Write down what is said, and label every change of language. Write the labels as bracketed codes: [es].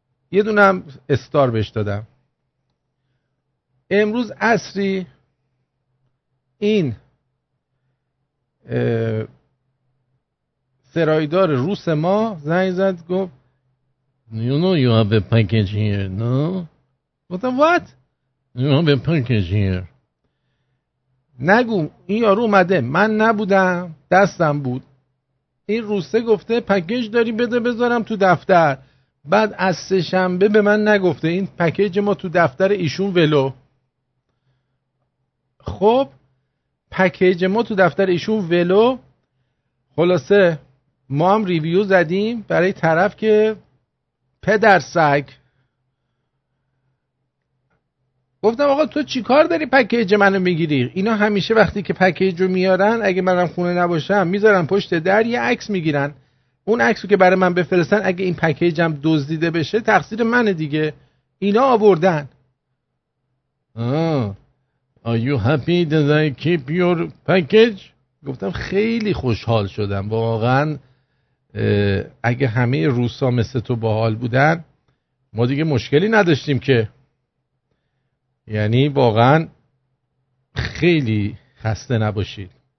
[fa] یه دونم استار بهش دادم. امروز عصری این سرایدار روس ما زنگ زد گفت [en] You know you have a package here, no? What? You have a package here. [fa] نگو این یارو اومده، من نبودم، دستم بود. این روسه گفته پکیج داری بده بذارم تو دفتر. بعد از سه شنبه به من نگفته، این پکیج ما تو دفتر ایشون ولو. خب پکیج ما تو دفتر ایشون ولو. خلاصه ما هم ریویو زدیم برای طرف که پدر سگ. گفتم آقا تو چی کار داری پکیج منو میگیری؟ اینا همیشه وقتی که پکیج رو میارن، اگه منم خونه نباشم، میذارن پشت در یه عکس میگیرن، اون عکسو که برای من بفرستن اگه این پکیجم دزدیده بشه تقصیر منه دیگه، اینا آوردن. [en] Are you happy that I keep your package؟ [fa] گفتم خیلی خوشحال شدم واقعا. اگه همه روسا مثل تو باحال بودن ما دیگه مشکلی نداشتیم که، یعنی واقعا خیلی خسته نباشید.